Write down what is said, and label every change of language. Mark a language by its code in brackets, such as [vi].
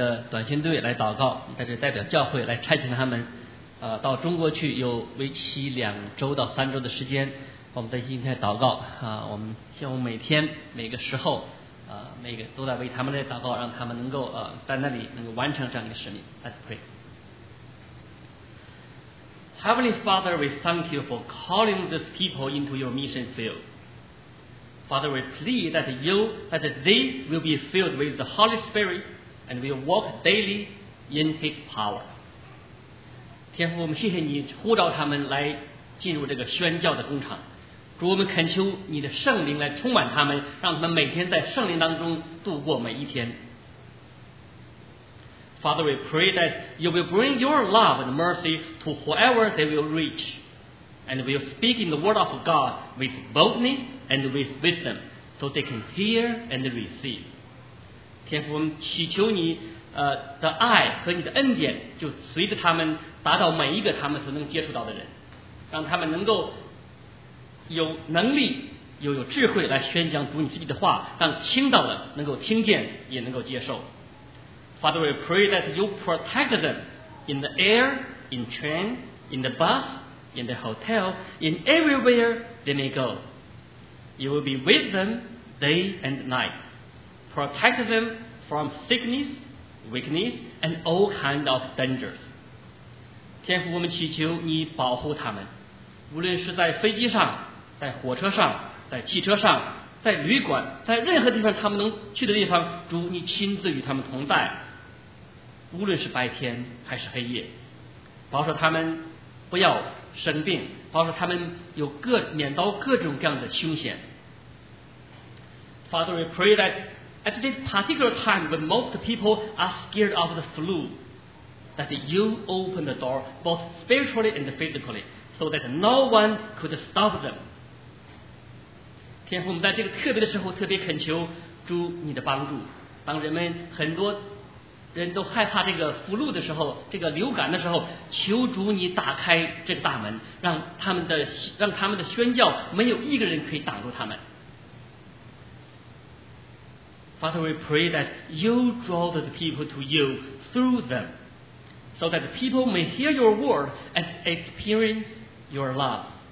[zh] 短宣队来祷告，在这代表教会来差遣他们，到中国去，有为期2-3周的时间。我们在今天祷告我们希望每天每个时候每个都在为他们来祷告，让他们能够在那里能够完成这样一个使命。 [en] Let's pray. Heavenly Father, we thank you for calling these people into your mission field. Father, we plead that they will be filled with the Holy Spirit. And we walk daily in His power. [zh] 天父，我们谢谢你呼召他们来进入这个宣教的工厂。主，我们恳求你的圣灵来充满他们，让他们每天在圣灵当中度过每一天。 [en] Father, we pray that you will bring your love and mercy to whoever they will reach, and will speak in the word of God with boldness and with wisdom, so they can hear and receive. [zh] 天父，我们祈求你的爱和你的恩典就随着他们达到每一个他们所能接触到的人，让他们能够有能力又有智慧来宣讲主你自己的话，让听到的能够听见也能够接受。 [en] Father, we pray that you protect them in the air, in train, in the bus, in the hotel, in everywhere they may go. You will be with them day and nightProtect them from sickness, weakness, and all kinds of dangers. [zh] 天父，我们祈求你保护他们，无论是在飞机上、在火车上、在汽车上、在旅馆、在任何地方他们能去的地方，主，你亲自与他们同在，无论是白天还是黑夜，保守他们不要生病，包括他们有各免遭各种各样的凶险。 [en] Father, we pray that at this particular time when most people are scared of the flu, that you open the door both spiritually and physically, so that no one could stop them. [zh] 天父，我们在这个特别的时候，特别恳求主你的帮助，当人们很多。人都害怕这个福禄的时候，这个流感的时候，求主你打开这个大门，让他们的宣教没有一个人可以挡住他们。 [en] Father, we pray that you draw the people to you through them, so that people may hear your word and experience your love.